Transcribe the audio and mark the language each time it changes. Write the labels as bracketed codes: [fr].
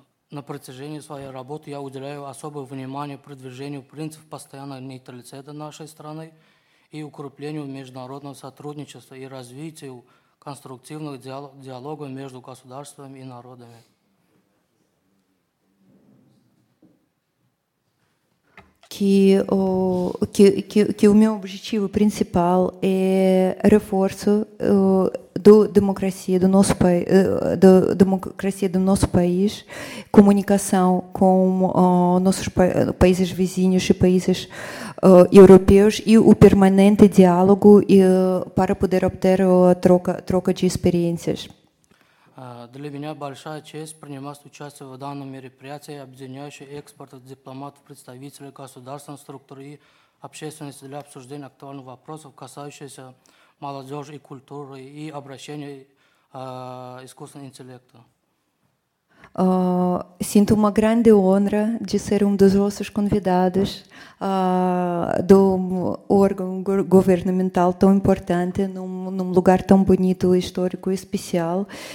[ru] На протяжении своей работы я уделяю особое внимание продвижению принципов постоянного нейтралитета нашей страны и укреплению международного сотрудничества и развитию конструктивных диалогов между государствами и народами. [pt] Que o meu objetivo principal é reforço da democracia do nosso país, da democracia do nosso país, comunicação com nossos países vizinhos e países europeus e o permanente diálogo para poder obter troca de experiências. [ru] Для меня большая честь принимать участие в данном мероприятии, объединяющем экспертов, дипломатов, представителей государственных структур и общественности для обсуждения актуальных вопросов, касающихся молодежи и культуры и обращения искусственного интеллекта. [pt] Sinto uma grande honra de ser um dos vossos convidados do órgão governamental tão importante, num lugar tão bonito, histórico e especial.